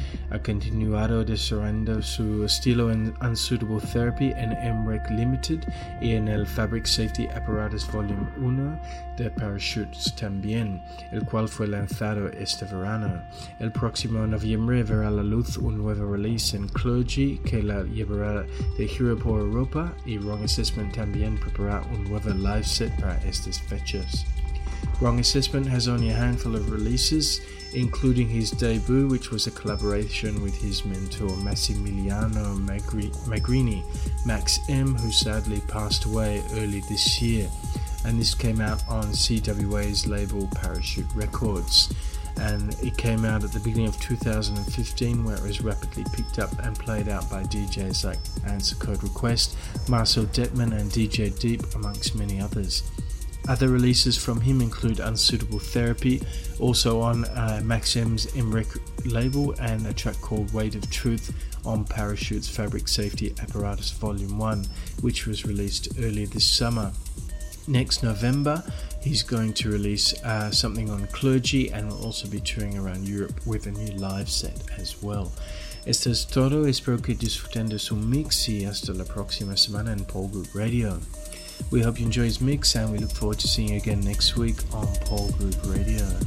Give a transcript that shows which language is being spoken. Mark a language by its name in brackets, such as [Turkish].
[Spanish] Ha continuado desarrollando su estilo en Unsuitable Therapy en MREC Limited y en el Fabric Safety Apparatus Volume 1 de Parachute también, el cual fue lanzado este verano. El próximo noviembre verá la luz un nuevo release en Clergy que la llevará de gira por Europa y Wrong Assessment también preparará un nuevo live set para estas fechas. [English] Wrong Assessment has only a handful of releases, including his debut, which was a collaboration with his mentor Massimiliano Magrini, Max M, who sadly passed away early this year. And this came out on CWA's label Parachute Records. And it came out at the beginning of 2015, where it was rapidly picked up and played out by DJs like Answer Code Request, Marcel Detman and DJ Deep, amongst many others. Other releases from him include Unsuitable Therapy, also on Max M's MREC label, and a track called Weight of Truth on Parachute's Fabric Safety Apparatus Volume 1, which was released earlier this summer. Next November, he's going to release something on Clergy and will also be touring around Europe with a new live set as well. [Spanish] Esto es todo, espero que disfruten de su mix y hasta la próxima semana en Pol Group Radio. [English] We hope you enjoy his mix and we look forward to seeing you again next week on Pol Group Radio.